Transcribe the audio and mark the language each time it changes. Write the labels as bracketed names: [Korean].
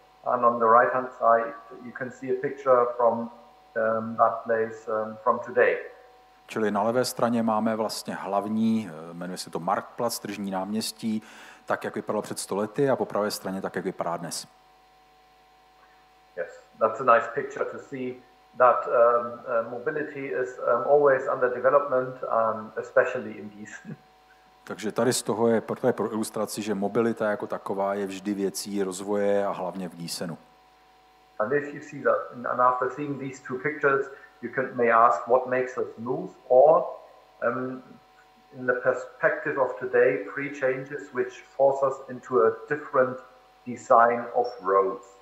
[English] And on the right-hand side, you can see a picture from that place from today. [Czech] Čili na levé straně máme vlastně hlavní, jmenuje se to Marktplatz, tržní náměstí, tak, jak vypadalo před 100 lety, a po pravé straně tak, jak vypadá dnes. [English] Yes, that's a nice picture to see that mobility is always under development, especially in Gießen. [Czech] Takže tady z toho je, proto je pro ilustraci, že mobilita jako taková je vždy věcí rozvoje a hlavně v Gießenu. [English] And if you see that, and after seeing these two pictures, you can may ask what makes us move, or in the perspective of today, three changes which force us into a different design of roads.